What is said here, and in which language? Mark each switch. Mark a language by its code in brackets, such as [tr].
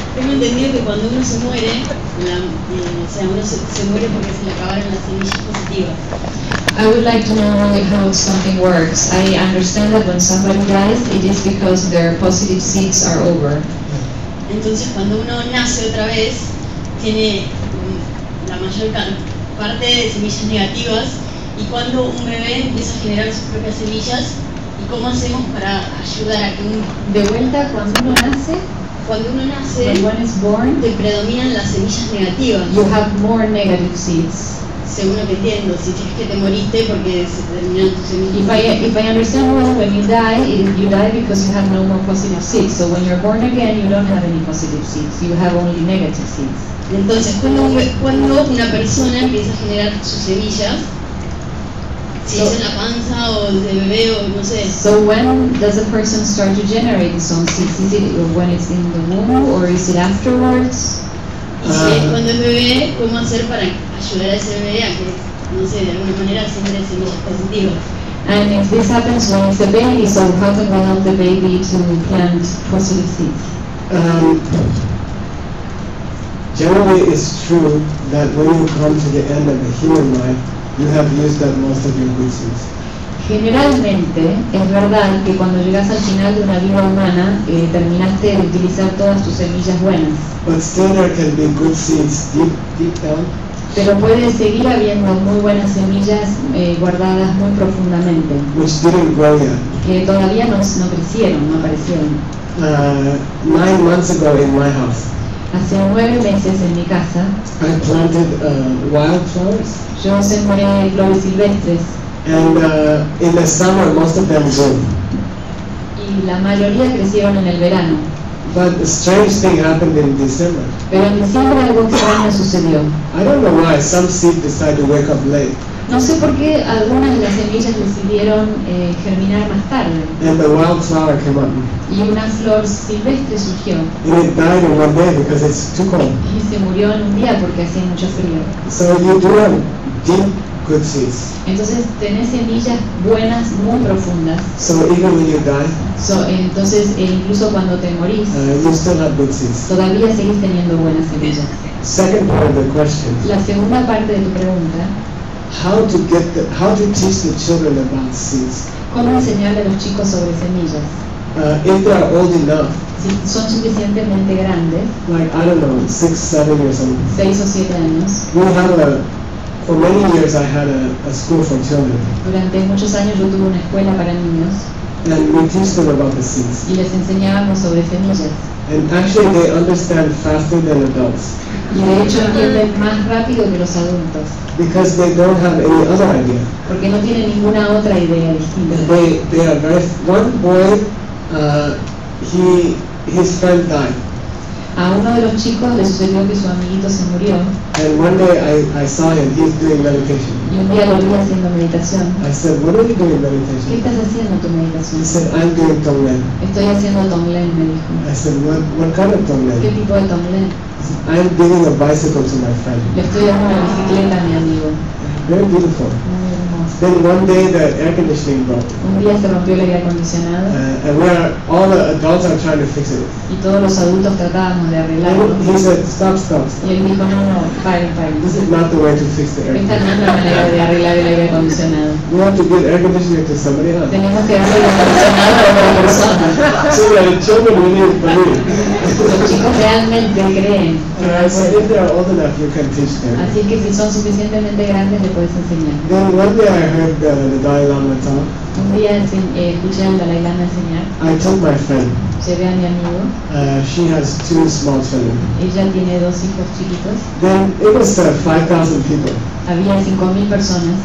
[es] Tengo entendido que cuando uno se muere, uno se muere porque se le acabaron las energías positivas. [en] I would like to know only how something works. I understand that when somebody dies, it is because their positive seeds are over. [es] Entonces, cuando uno nace otra vez, tiene la mayor parte de semillas negativas. Y cuando un bebé empieza a generar sus propias semillas, ¿y cómo hacemos para ayudar a que un... De vuelta, cuando uno nace, [en] when one is born, [es] te predominan las semillas negativas. [en] You have more negative seeds. [es] Según lo que entiendo, si es que te moriste porque se terminaron tus semillas. [en] If I understand well, when you die because you have no more positive seeds. So when you're born again, you don't have any positive seeds. You have only negative seeds. [es] Entonces, cuando una persona empieza a generar sus semillas, si es en la panza o de bebé o no sé. [en] So when does a person start to generate his own seeds? Is it when it's in the womb or is it afterwards? [es] Cuando es bebé, ¿cómo hacer para ayudar a ese bebé a que, no sé, de alguna manera siempre se vea positivo? [en] And if this happens when it's a baby, so how to help the baby to plant positive seeds? Generally, it's true that when you come to the end of the human life, you have used up most of your good seeds. [es] Generalmente, es verdad que cuando llegas al final de una vida humana, terminaste de utilizar todas tus semillas buenas. [en] But still there can be good seeds deep down. [es] Pero puede seguir habiendo muy buenas semillas guardadas muy profundamente. [en] Which didn't grow yet. [es] Que todavía no crecieron, no aparecieron. [en] 9 months ago in my house. [es] Hace 9 meses en mi casa. [en] I planted wild flowers. [es] Yo sembré flores silvestres. [en] And in the summer most of them grew. [es] Y la mayoría crecieron en el verano. [en] But a strange thing happened in December. [es] Pero en diciembre algo extraño sucedió. [en] I don't know why some seeds decide to wake up late. [es] No sé por qué algunas de las semillas decidieron germinar más tarde. [en] And the wild flower came up. [es] Y una flor silvestre surgió. [en] And it died in one day because it's too cold. [es] Y se murió en un día porque hacía mucho frío. [en] So you do have deep good seeds. [es] Entonces tenés semillas buenas muy profundas. [en] So even when you die. So, [es] entonces, incluso cuando te morís, [en] you still have good seeds. [es] Todavía seguís teniendo buenas semillas. [en] Second part of the question. [es] La segunda parte de tu pregunta. [en] How to teach the children about seeds? [es] ¿Cómo enseñarle a los chicos sobre semillas? [en] If they are old enough. [es] Si son suficientemente grandes. [en] Like, I don't know, 6, 7 years old. [es] 6 o 7 años. [en] We have a, for many years I had a school for children. [es] Durante muchos años yo tuve una escuela para niños. [en] And we teach them about the seeds. [es] Y les enseñábamos sobre semillas. [en] And actually they understand faster than adults. [es] Y de hecho entienden más rápido que los adultos. [en] Because they don't have any other idea. [es] Porque no tienen ninguna otra idea distinta. [en] They are very one boy his friend died. [es] A uno de los chicos le sucedió que su amiguito se murió. [en] And one day I saw him, he's doing meditation. [es] Y un día lo vi haciendo meditación. [en] I said, what are you doing meditation? [es] ¿Qué estás haciendo tu meditación? [en] He said, I'm doing Tonglen. [es] Estoy haciendo Tonglen, me dijo. [en] I said, what kind of Tonglen? [es] ¿Qué tipo de Tonglen? [en] I'm giving a bicycle to my friend. [es] Le estoy dando una bicicleta a mi amigo. [en] Very beautiful. Then one day the air conditioning broke. [es] Un día se rompió el aire acondicionado. [en] And we are, all the adults are trying to fix it. [es] Y todos los adultos tratábamos de arreglarlo. [en] And he said, stop. [es] Y él dijo, no, pare. [en] This is not the way to fix the air conditioning. We have to give air conditioning to somebody else. [es] Tenemos que darle el acondicionado a otra persona. [en] So the children really believe. [es] Los chicos realmente creen. [en] So if they are old enough, you can teach them. [es] Así que si son suficientemente grandes, le puedes enseñar. [en] Then one day I heard the Dalai Lama talk. [es] Un día escuché al Dalai Lama enseñar. [en] I took my friend. [es] Llevé a mi amigo. [en] She has 2 small children. [es] Ella tiene 2 hijos chiquitos. [en] Then it was 5,000 people. [es] Había 5,000 personas.